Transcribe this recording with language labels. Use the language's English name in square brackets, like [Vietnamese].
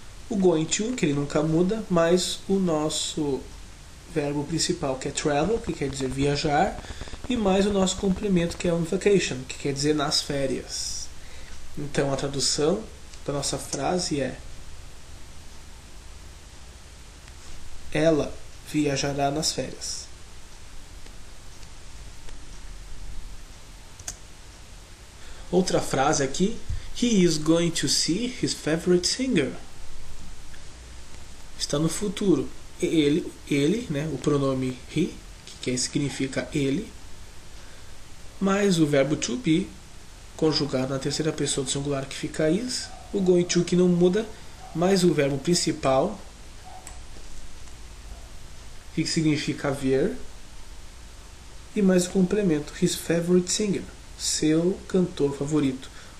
[Portuguese] O going to, que ele nunca muda, mais o nosso verbo principal, que é travel, que quer dizer viajar, e mais o nosso complemento, que é [English] on vacation, [Portuguese] que quer dizer nas férias. Então a tradução da nossa frase é: ela viajará nas férias. Outra frase aqui: [English] he is going to see his favorite singer. [Portuguese] Está no futuro. Ele, né, o pronome he, que significa ele, mais o verbo to be, conjugado na terceira pessoa do singular, que fica is, o going to, que não muda, mais o verbo principal, que significa ver, e mais o complemento, [English] his favorite singer, [Portuguese] seu cantor favorito.